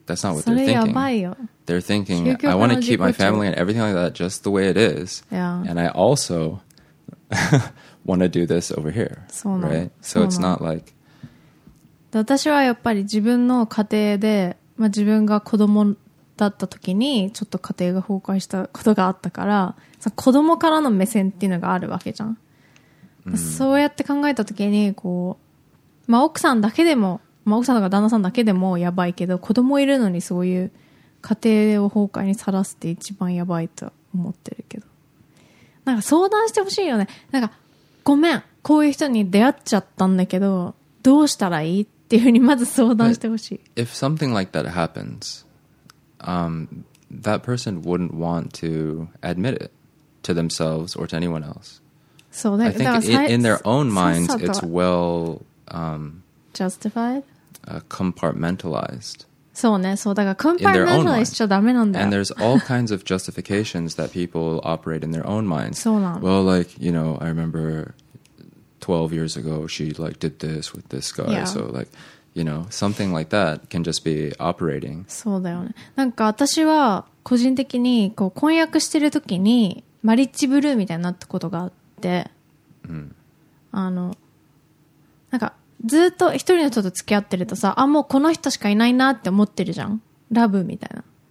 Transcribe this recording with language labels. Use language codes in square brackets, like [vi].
[en] That's not what they're thinking. They're thinking, I want to keep my family and everything like that just the way it is. Yeah. And I also want to do this over here. Right? So it's not like... [ja] 私はやっぱり自分の家庭で、まあ、自分が子供だった時にちょっと家庭が崩壊したことがあったから、さ子供からの目線っていうのがあるわけじゃん。うん、そうやって考えた時に、こう、まあ、奥さんだけでも、まあ、奥さんとか旦那さんだけでもやばいけど、子供いるのにそういう家庭を崩壊にさらすって一番やばいと思ってるけど。なんか相談してほしいよね。なんか、ごめん、こういう人に出会っちゃったんだけど、どうしたらいいっていうふうにまず相談してほしい。 [en] If something like that happens, that person wouldn't want to admit it to themselves or to anyone else. [ja] そうだよ。 [en] I think in their own minds, it's well, justified? Compartmentalized. [ja] そうね。そう。だから compartmentalized しちゃダメなんだよ。 [en] And there's all kinds of justifications that people operate in their own minds. [ja] そうなの。 [en] Well, like, you know, I remember 12 years ago, she like did this with this guy. Yeah. So like, you know, something like that can just be operating. [ja] そうだよね。なんか私は個人的にこう婚約してる時にマリッジブルーみたいになったことがあって、うん、あの、なんかずっと一人の人と付き合ってるとさ、あ、もうこの人しかいないなって思ってるじゃん。ラブみたいな。